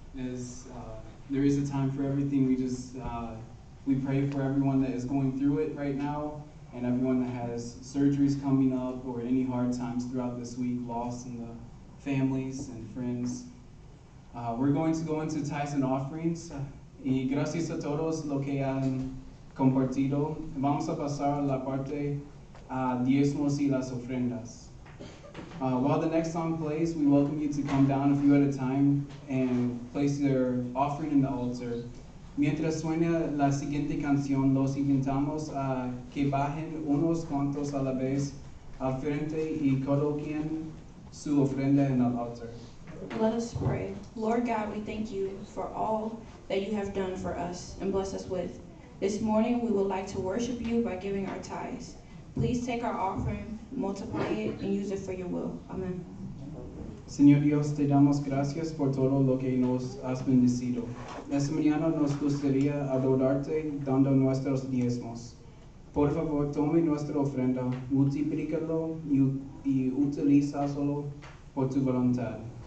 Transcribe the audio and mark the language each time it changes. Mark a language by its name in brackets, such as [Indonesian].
[English] There is a time for everything. We just we pray for everyone that is going through it right now, and everyone that has surgeries coming up or any hard times throughout this week, loss in the families and friends. We're going to go into tithes and offerings. [Spanish] Y gracias a todos lo que han compartido. Vamos a pasar a la parte a diezmos y las ofrendas. [English] While the next song plays, we welcome you to come down a few at a time and place your offering in the altar. [Spanish] Mientras suena la siguiente canción, los invitamos a que bajen unos cuantos a la vez al frente y coloquen su ofrenda en el altar. [English] Let us pray. Lord God, we thank you for all that you have done for us and bless us with. This morning, we would like to worship you by giving our tithes. Please take our offering, multiply it, and use it for your will. Amen. [Spanish] Señor Dios, te damos gracias por todo lo que nos has bendecido. Esta mañana nos gustaría adorarte dando nuestros diezmos. Por favor, tome nuestra ofrenda, multiplícalo y utilízalo por tu voluntad.